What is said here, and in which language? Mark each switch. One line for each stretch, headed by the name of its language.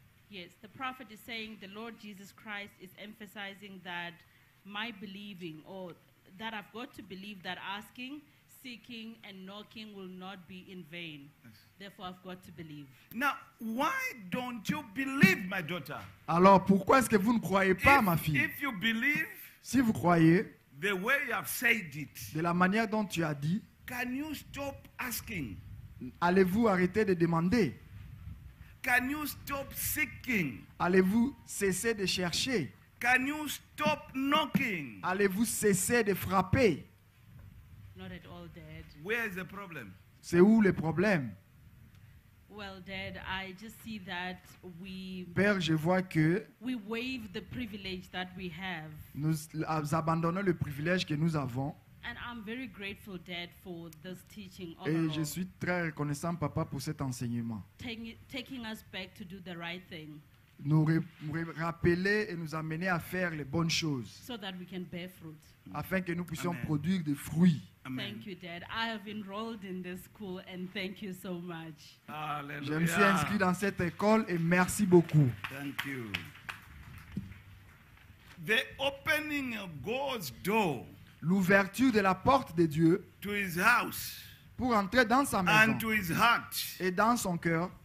English: Yes, the prophet is saying the Lord Jesus Christ is emphasizing that my believing, or that I've got to believe that asking, seeking, and knocking will not be in vain. Yes. Therefore, I've got to believe. Now, why don't you believe, my daughter?
French: Alors, pourquoi est-ce que vous ne croyez pas, ma fille?
English: If you believe,
French: si vous croyez,
English: the way you have said it,
French: de la manière dont tu as dit,
English: can you stop asking?
French: Allez-vous arrêter de demander?
English: Can you stop seeking?
French: Allez-vous cesser de chercher?
English: Can you stop knocking?
French: Allez-vous cesser de frapper?
English: Not at all, Dad. Where is the problem?
French: C'est où le problème?
English: Well, Dad, I just see that we,
French: Père, je vois que
English: we waive the privilege that we have.
French: Nous abandonnons le privilège que nous avons.
English: And I'm very grateful, Dad, for this teaching.
French: Et je suis très reconnaissant, Papa, pour cet enseignement.
English: Taking us back to do the right thing.
French: Nous rappeler et nous amener à faire les bonnes choses.
English: So that we can bear fruit.
French: Afin que nous puissions produire des fruits.
English: Amen. Thank you, Dad. I have enrolled in this school and thank you so much. Alleluia.
French: Je me suis inscrit dans cette école et merci beaucoup.
English: Thank you. The opening of God's door.
French: L'ouverture de la porte de Dieu
English: to his house
French: pour entrer dans sa maison
English: and to his heart
French: et dans son cœur